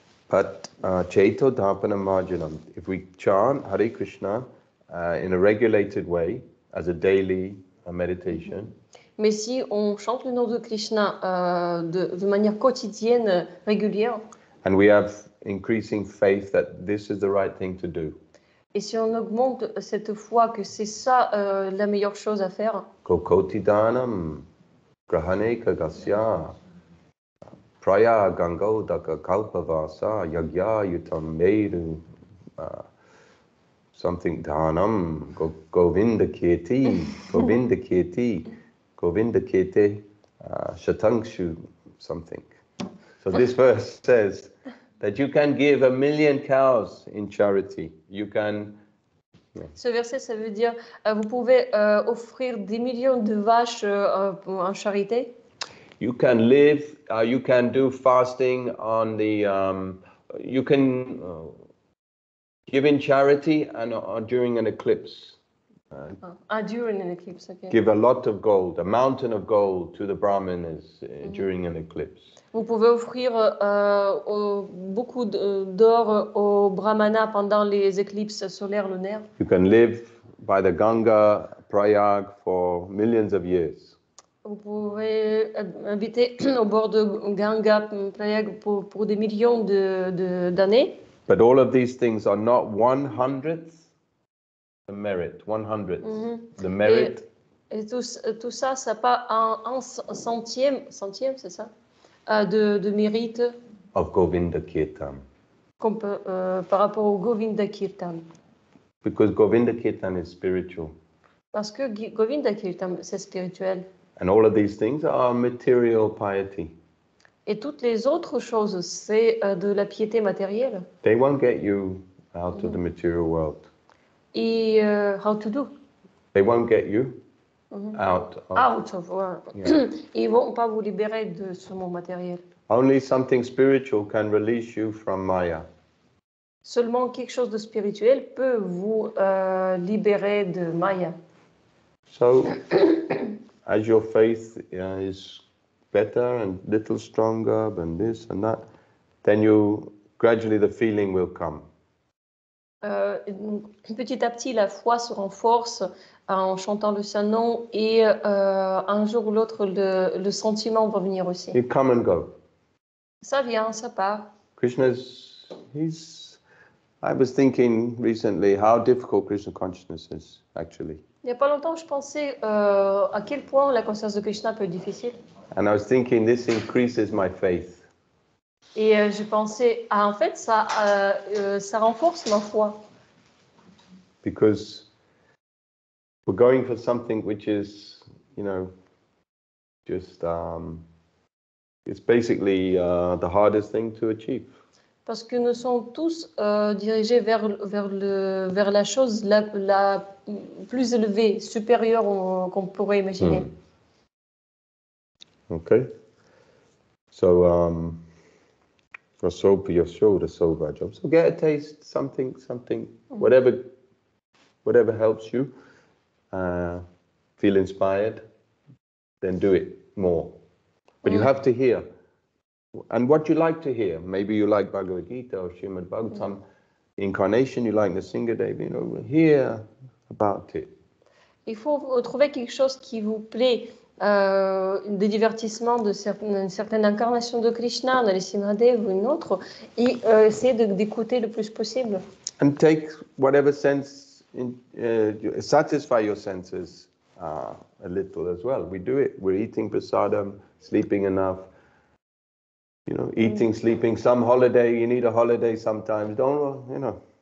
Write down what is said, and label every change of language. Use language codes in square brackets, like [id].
[en] But chaito dhapanam marjanam. If we chant Hare Krishna in a regulated way, as a daily meditation. [fr] Mais si on chante le nom de Krishna de manière quotidienne, régulière. [en] And we have increasing faith that this is the right thing to do. [fr] Et si on augmente cette foi que c'est ça la meilleure chose à faire. Kokotidanam grahane kagasya praya gango daka kalpavasa yagya yutam meru something dhanam govinda kirti shatangshu something. [en] So this verse says that you can give a million cows in charity. You can. Yeah. [fr] Ce verset, ça veut dire vous pouvez offrir des millions de vaches en charité. [en] You can live, you can do fasting on the, you can give in charity and during an eclipse. During an eclipse, okay. Give a lot of gold, a mountain of gold to the Brahmanas during an eclipse. [fr] Vous pouvez offrir beaucoup d'or aux Brahmanas pendant les éclipses solaires lunaires. [en] You can live by the Ganga Prayag for millions of years. [fr] Vous pouvez habiter au bord de Ganga Prayag pour des millions d'années. [en] But all of these things are not one hundredth the merit. One hundredth the merit. [fr] Et tout ça, c'est pas un centième, c'est ça, de mérite. [en] Of Govinda Kirtan. [fr] Par rapport au Govinda Kirtan. [en] Because Govinda Kirtan is spiritual. [fr] Parce que Govinda Kirtan, c'est spirituel. [en] And all of these things are material piety. [fr] Et toutes les autres choses, c'est de la piété matérielle. [en] They won't get you out of the material world. Et how to do? They won't get you out of. Out of. [fr] Ils vont pas vous libérer de ce monde matériel. [en] Only something spiritual can release you from Maya. [fr] Seulement quelque chose de spirituel peut vous libérer de Maya. [en] So. As your faith is better and little stronger than this and that, then you gradually the feeling will come. [fr] Petit à petit, la foi se renforce en chantant le Saint Nom et un jour ou l'autre, le sentiment va venir aussi. [en] You come and go. [fr] Ça vient, ça part. [en] Krishna's, he's. I was thinking recently how difficult Krishna consciousness is actually. [fr] Il n'y a pas longtemps, je pensais à quel point la conscience de Krishna peut être difficile. [en] And I was thinking, this increases my faith. [fr] Et je pensais, ah, en fait, ça, ça renforce ma foi. [en] Because we're going for something which is, you know, just, it's basically the hardest thing to achieve. [fr] Parce que nous sommes tous dirigés vers la chose la plus élevée, supérieure qu'on pourrait imaginer. [en] Mm. Okay. So, rasopi yasho rasova job. So get a taste, something, whatever helps you feel inspired, then do it more. But you have to hear. And what you like to hear, maybe you like Bhagavad Gita or Srimad Bhagavatam, incarnation, you like Nrsimha Dev, you know, hear about it. [fr] Il faut trouver quelque chose qui vous plaît, des divertissements de certaines incarnations de Krishna, Nrsimha Dev ou une autre, et essayer d'écouter le plus possible. [en] And take whatever sense, satisfy your senses a little as well. We do it, we're eating prasadam, sleeping enough. You know, eating, sleeping, some holiday, you need a holiday sometimes, don't, you know.